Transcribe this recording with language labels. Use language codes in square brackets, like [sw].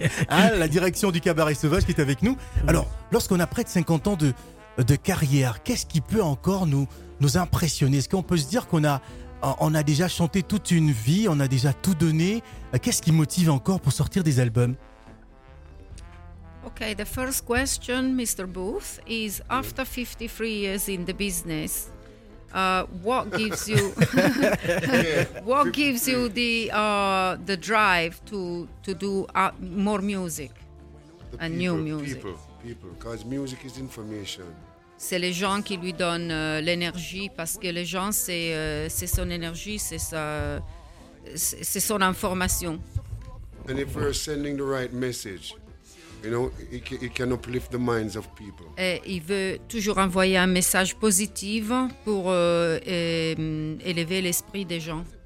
[fr] la direction du Cabaret Sauvage qui est avec nous. Alors, lorsqu'on a près de 50 ans de carrière, qu'est-ce qui peut encore nous impressionner? Est-ce qu'on peut se dire qu'on a déjà chanté toute une vie, on a déjà tout donné? Qu'est-ce qui motive encore pour sortir des albums? [en] Okay, the first question, Mr. Booth, is after 53 years in the business, what gives you the drive to do more music and new music? People, because music is information. [fr] C'est les gens qui lui donnent l'énergie, parce que les gens c'est son énergie, c'est son information. [en] And if we're sending the right message. You know, it can uplift the minds of people. [fr] Et il veut toujours envoyer un message positif pour élever l'esprit des gens.